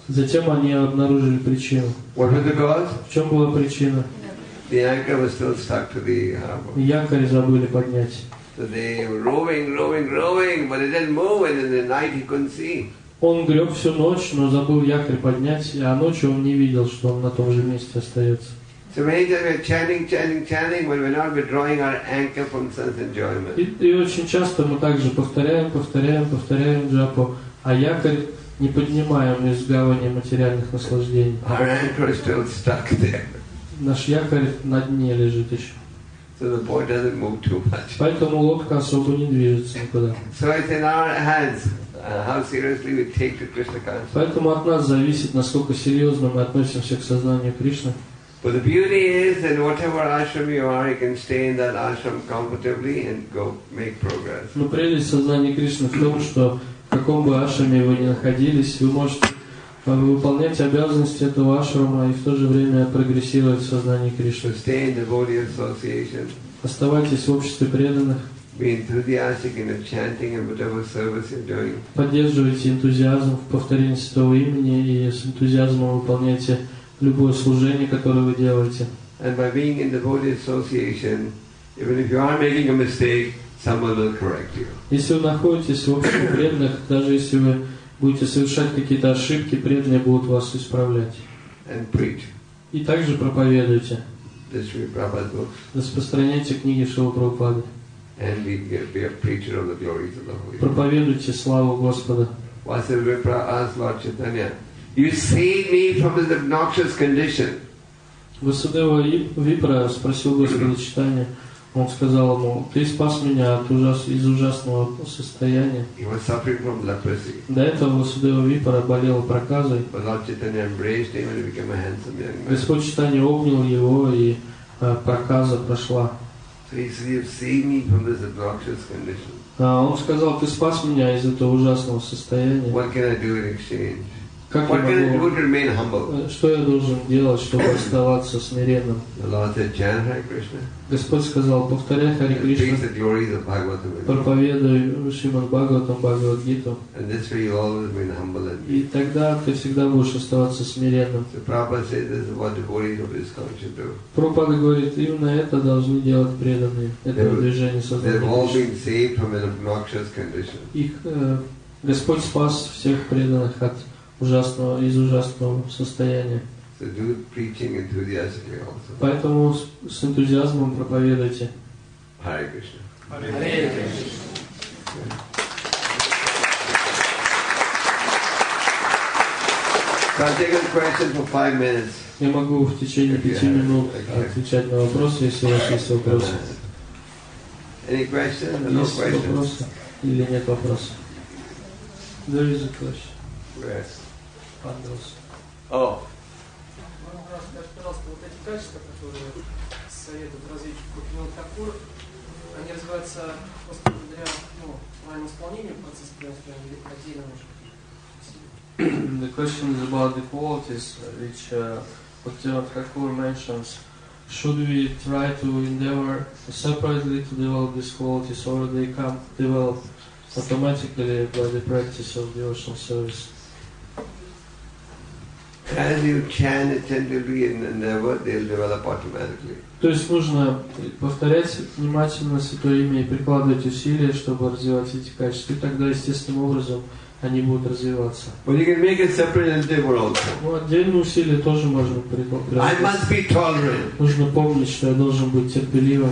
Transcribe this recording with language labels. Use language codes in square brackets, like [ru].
[ru] Затем они обнаружили причину. [en] What was the cause? [ru] В чем была причина? [en] The anchor was still stuck to the harbor. [ru] Якорь забыли поднять. [en] So they were rowing, but it didn't move, and in the night he couldn't see. [ru] Он греб всю ночь, но забыл якорь поднять, а ночью он не видел, что он на том же месте остается. [en] So many times we're chanting, but we're not withdrawing our anchor from sense enjoyment. [ru] И очень часто мы также повторяем джапу, а якорь не поднимаем из гавани материальных наслаждений. [en] Our anchor is still stuck there. [ru] Наш якорь на дне лежит еще. [en] So the boat doesn't move too much. [ru] Поэтому лодка особо не движется никуда. [en] So it's in our hands. How seriously we take to Krishna consciousness. [ru] Поэтому от нас зависит, насколько серьезно мы относимся к сознанию Кришны. [en] But the beauty is, in whatever ashram you are, you can stay in that ashram comfortably and go make progress. [ru] Но прелесть сознания Кришны в том, что в каком бы ашраме вы ни находились, вы можете выполнять обязанности этого ашрама и в то же время прогрессировать в сознании Кришны. [en] Stay in the devotee association. [ru] Оставайтесь в обществе преданных. [en] Be enthusiastic in the chanting and whatever service you're doing. [ru] Поддерживайте энтузиазм в повторении Святого Имени и с энтузиазмом выполняйте любое служение, которое вы делаете. [en] And by being in the devotee association, even if you are making a mistake, someone will correct you. [ru] Если вы находитесь в общем преданных, даже если вы будете совершать какие-то ошибки, преданные будут вас исправлять. [en] And preach. [ru] И также проповедуйте. [en] Distribute Prabhupada's books. [ru] Распространяйте книги Шрилы Прабхупады. [en] And be a preacher of the glories of the Holy Spirit. [ru] Проповедуйте славу Господа. [en] Vasudevipra asked Lord Chaitanya, "You saved me from this obnoxious condition." [ru] Васудева Випра спросил Господа Читания, он сказал ему, ты спас меня от из ужасного состояния. [en] He was suffering from leprosy. [ru] До этого Васудева Випра болел проказой. [en] But Lord Chaitanya embraced him and he became a handsome young man. [ru] Господь Читания обнял его, и проказа прошла. [en] So he said, "You saved me from this obnoxious condition." [ru] Он сказал, ты спас меня из этого ужасного состояния. [en] What can I do in exchange? [ru] Как [en] what [ru] я могу, [en] can I do to remain humble? [ru] Что я должен делать, чтобы оставаться смиренным? [en] The Lord said, chant Hare Krishna. [ru] Господь сказал, повторяй Хари Кришна, проповедуй Шримад Бхагаватам, Бхагавад Гиту. [en] And this way you always remain humble and [ru] и тогда ты всегда будешь оставаться смиренным. [en] So Prabhupada said, this is what devotees of this country should do. [ru] Прабхупада говорит, именно это должны делать преданные, это движение сознания. [en] They've all been saved from an obnoxious condition. [ru] Их Господь спас всех преданных от ужасного, из ужасного состояния. [en] So do preaching enthusiastically also. [ru] Поэтому с энтузиазмом проповедуйте. [en] Hare Krishna. Hare Krishna. I'll take a question for 5 minutes. [ru] Я могу в течение 5 минут отвечать на вопросы, если у вас есть вопросы. [en] Any questions? No questions. [ru] Есть вопросы или нет вопросов? [en] There is a question. Yes. Oh. [ru] Пожалуйста, вот эти качества, которые советуют разведчику Кинал Такур, они развиваются просто благодаря правильному исполнению процесса преданности или отдельно. [en] The question is about the qualities which Bhaktivinoda Thakur mentions. Should we try to endeavor separately to develop these qualities or they come develop automatically by the practice of devotional service? As you chant attentively and endeavor, they'll develop automatically. [ru] То есть нужно повторять внимательно Святое Имя и прикладывать усилия, чтобы развивать эти качества, и тогда естественным образом они будут развиваться. [en] But you can make a separate endeavor also. [ru] Отдельные усилия тоже можно прикладывать. [en] I must be tolerant. [ru] Нужно помнить, что я должен быть терпеливым.